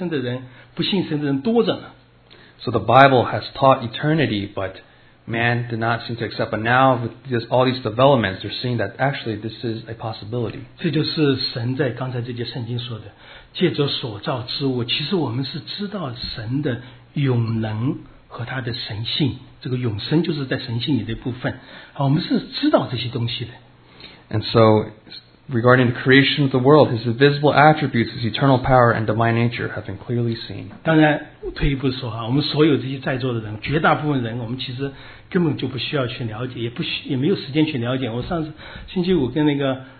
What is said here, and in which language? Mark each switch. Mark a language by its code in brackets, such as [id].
[zh] 这些东西因为都记载在圣经里面，神告诉我们有永生，所有的人都不相信。哦，现在人的科学技术发展到现在，哎，说不定真有可能呢，对吧？今天谈永生的人，不信神的人多着呢。So [en] the Bible has taught eternity, but man did not seem to accept. But now with this, all these developments, they're seeing that actually this is a possibility. [zh] 这就是神在刚才这些圣经说的。借着所造之物，其实我们是知道神的永能和他的神性。这个永生就是在神性里的部分。我们是知道这些东西的。And [en] so, regarding the creation of the world, his invisible attributes, his eternal power and divine nature have been clearly seen. [zh] 当然，退一步说哈，我们所有这些在座的人，绝大部分人，我们其实根本就不需要去了解，也没有时间去了解。我上次星期五跟那个。